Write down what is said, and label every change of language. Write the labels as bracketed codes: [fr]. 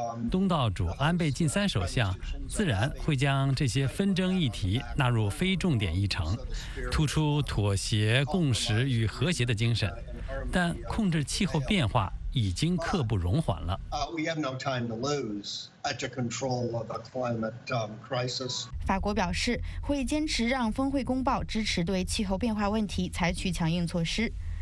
[zh] 东道主安倍晋三首相自然会将这些纷争议题纳入非重点议程，突出妥协、共识与和谐的精神，但控制气候变化已经刻不容缓了。 [en] We have no time to lose at the control of a climate crisis. [zh] 法国表示会坚持让峰会公报支持对气候变化问题采取强硬措施。